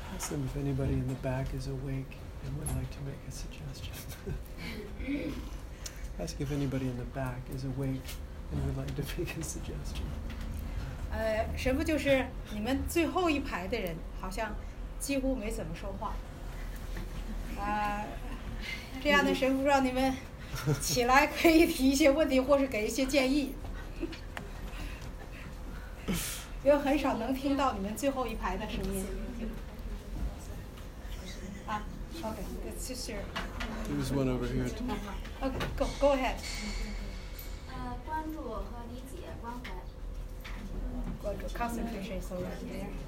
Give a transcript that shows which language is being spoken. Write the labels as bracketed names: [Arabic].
[English] And if anybody in the back is awake and would like to make a suggestion. Ask if anybody in the back is awake and would like to make a suggestion. [Chinese] 神父就是你们最后一排的人好像几乎没怎么说话。这样的神父让你们起来可以提一些问题或是给一些建议。因为很少能听到你们最后一排的声音。 [English] Okay, this is your... There's one over here. Okay, go ahead. [Chinese] 关注和理解关怀。 [English] Concentration is over there.